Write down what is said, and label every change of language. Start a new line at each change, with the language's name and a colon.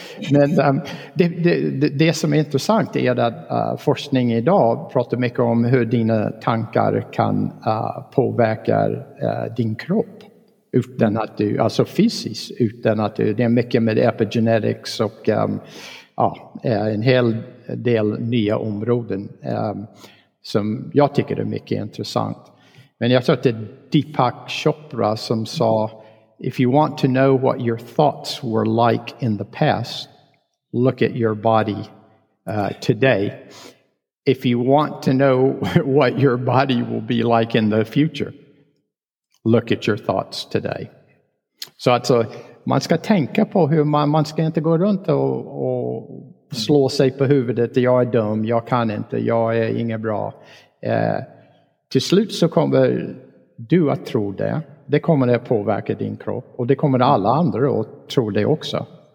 Swedish: Men det som är intressant är att forskning idag pratar mycket om hur dina tankar kan påverka din kropp utan att du, alltså fysiskt, utan att du, det är mycket med epigenetics och en hel del nya områden som jag tycker är mycket intressant. Men jag tror att det är Deepak Chopra som sa,
English: if you want to know what your thoughts were like in the past, look at your body today. If you want to know what your body will be like in the future, look at your thoughts today.
Swedish: Så alltså, man ska tänka på hur man ska inte gå runt och slå sig på huvudet. Jag är dum, jag kan inte, jag är inget bra. Till slut så kommer du att tro det. Det kommer att påverka din kropp. Och det kommer alla andra att tro det också.